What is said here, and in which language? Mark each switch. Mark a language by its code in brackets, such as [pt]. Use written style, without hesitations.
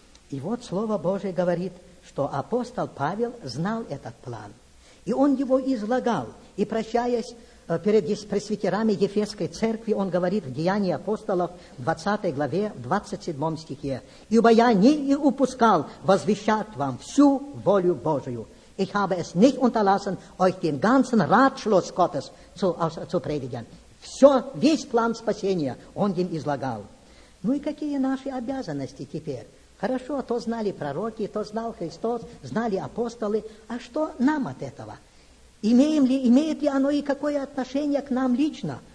[ru] И вот Слово Божие говорит, что апостол Павел знал этот план. И он его излагал. И прощаясь перед пресвитерами Ефесской церкви, он говорит в Деянии апостолов, 20 главе, 27 стихе, «Ибо я не упускал возвещать вам всю волю Божию». [de] Ich habe es nicht unterlassen, euch den ganzen Ratschluss Gottes zu predigen. [ru] Все, весь план спасения он им излагал. Ну и какие наши обязанности теперь? Хорошо, то знали пророки, то знал Христос, знали апостолы. А что нам от этого? Имеет ли оно и какое отношение к нам лично?